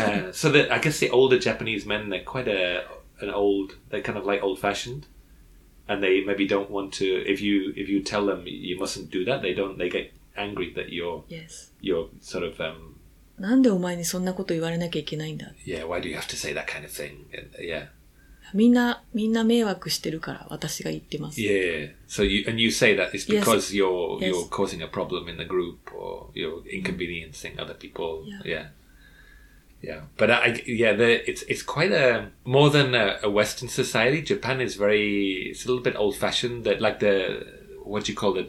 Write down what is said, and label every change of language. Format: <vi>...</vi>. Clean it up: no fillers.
<en>So that I guess the older Japanese men, they're quite they're kind of like old-fashioned. And they maybe don't want to, if you tell them you mustn't do that, they get angry that you're sort of</en> <ja>なんでお前にそんなこと言われなきゃいけないんだ。</ja> <en>Yeah, why do you have to say that kind of thing? Yeah.</en> <ja>みんな迷惑してるから私が言ってます。</ja> <en>Yeah. So you say that it's because you're causing a problem in the group or you're inconveniencing other people. But it's quite a more than a Western society. Japan is it's a little bit old fashioned. That like the what do you call it?</en>